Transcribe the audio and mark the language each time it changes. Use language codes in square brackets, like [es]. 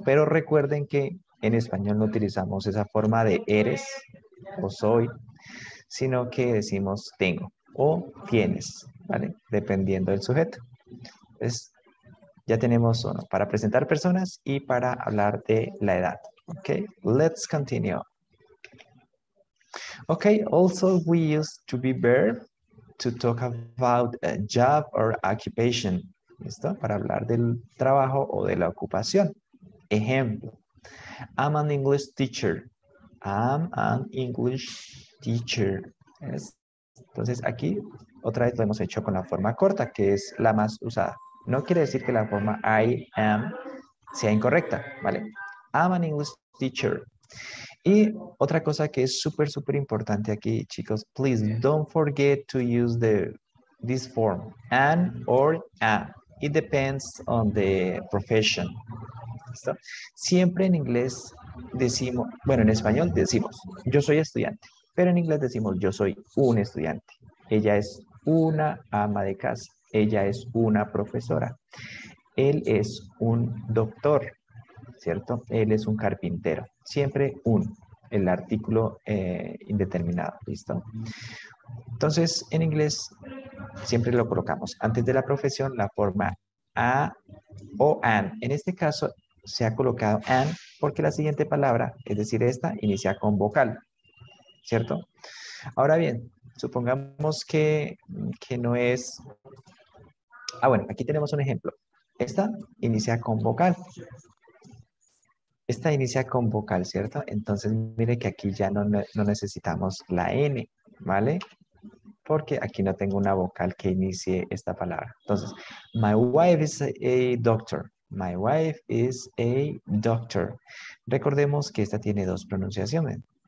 [es] Pero recuerden que en español no utilizamos esa forma de eres o soy, sino que decimos tengo o tienes, ¿vale? Dependiendo del sujeto. Entonces, ya tenemos uno para presentar personas y para hablar de la edad, ¿ok? [en] Let's continue. Ok, also we use to be verb to talk about a job or occupation, [es] ¿listo? Para hablar del trabajo o de la ocupación. [en] Ejemplo, I'm an English teacher. I'm an English teacher. [es] ¿Ves? Entonces aquí otra vez lo hemos hecho con la forma corta, que es la más usada. No quiere decir que la forma I am sea incorrecta, ¿vale? [en] I'm an English teacher. [es] Y otra cosa que es súper, súper importante aquí, chicos, [en] please don't forget to use this form, an or a. It depends on the profession. [es] ¿Listo? Siempre en inglés decimos, bueno, en español decimos, yo soy estudiante, pero en inglés decimos, yo soy un estudiante. Ella es una ama de casa. Ella es una profesora. Él es un doctor, ¿cierto? Él es un carpintero. Siempre un, el artículo indeterminado, ¿listo? Entonces, en inglés, siempre lo colocamos. Antes de la profesión, la forma a o an. En este caso, se ha colocado an porque la siguiente palabra, es decir, esta, inicia con vocal, ¿cierto? Ahora bien, supongamos que no es... Ah, bueno, aquí tenemos un ejemplo. Esta inicia con vocal. Esta inicia con vocal, ¿cierto? Entonces, mire que aquí ya no necesitamos la N, ¿vale? Porque aquí no tengo una vocal que inicie esta palabra. Entonces, [en] my wife is a doctor. My wife is a doctor. [es] Recordemos que esta tiene dos pronunciaciones.